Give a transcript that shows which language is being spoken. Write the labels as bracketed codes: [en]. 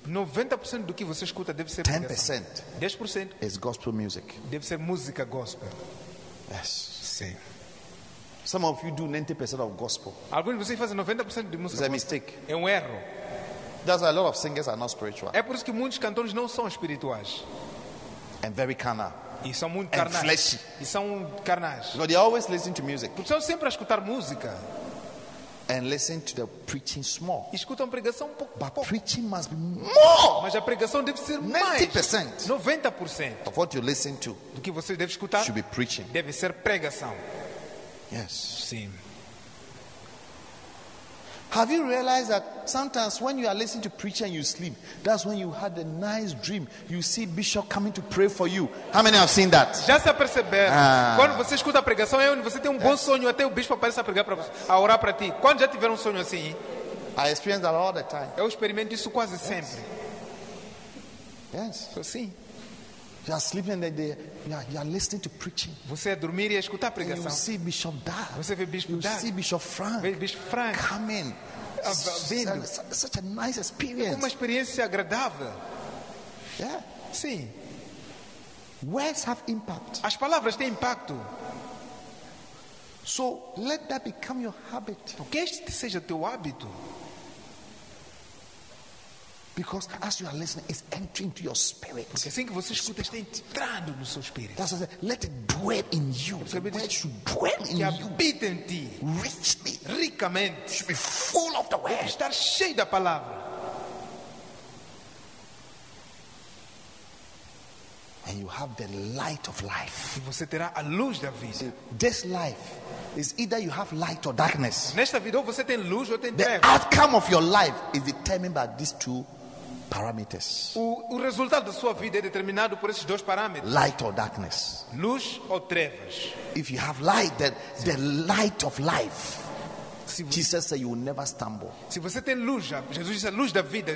[pt] 90% do que você escuta deve ser 10% pregação. 10% [en] is gospel music. [pt] Deve ser música gospel. [en] Yes. [pt] Sim. [en] Some of you do 90% of gospel. [pt] Alguns de vocês fazem 90% de música. [en] It's a mistake. [pt] É erro. [en] That's why a lot of singers are not spiritual. [pt] É por isso que muitos cantores não são espirituais. [en] And very carnal. [pt] E são muito carnais. [en] And fleshy. [pt] E são carnais. [en] But they always listen to music. [pt] Porque são sempre a escutar música. [en] And listen to the preaching small. [pt] E escutam pregação pouco. [en] But preaching must be more. [pt] Mas a pregação deve ser 90%. Mais. 90%. [en] Of what you listen to. [pt] Do que você deve escutar. [en] Should be preaching. [pt] Deve ser pregação. [en] Yes. [pt] Sim. [en] Have you realized that sometimes when you are listening to preacher and you sleep, that's when you had a nice dream. You see bishop coming to pray for you. How many have seen that? [pt] Já se aperceberam? Quando você escuta a pregação é onde você tem bom sonho até o bispo aparece a pregar para você, a orar para ti. Quando já tiveram sonho assim? [en] I experience that all the time. [pt] Eu experimento isso quase sempre. [en] Yes. [pt] Sim. [en] You are sleeping and you are listening to preaching. [pt] Você é dormir e escutar a pregação. [en] You see Bishop Dad. [pt] Você vê Bishop [en] Dad. You see Bishop Frank. [pt] Vê Bishop Frank. [en] Coming. [pt] vendo. [en] Such a nice experience. [pt] Uma experiência agradável. [en] Yeah. [pt] Sim. [en] Words have impact. [pt] As palavras têm impacto. [en] So let that become your habit. [pt] Que este seja teu hábito. [en] Because as you are listening, it's entering into your spirit. [pt] Porque assim que você escuta, está entrando no seu espírito. [en] That's what I said. Let it dwell in you. [pt] Porque [en] the word diz, should dwell in you. [pt] Habita em ti. [en] Richly. [pt] Ricamente. [en] Should be full of the word. [pt] Deve estar cheio da palavra. [en] And you have the light of life. [pt] E você terá a luz da vida. [en] This life is either you have light or darkness. [pt] Nesta vida você tem luz ou tem [en] trevas. The outcome of your life is determined by these two parameters. [pt] O resultado da sua vida é determinado por esses dois parâmetros. [en] Light or darkness. [pt] Luz ou trevas. [en] If you have light, then the light of life. Jesus said, "You will never stumble." [pt] Se você tem luz, Jesus disse, luz da vida.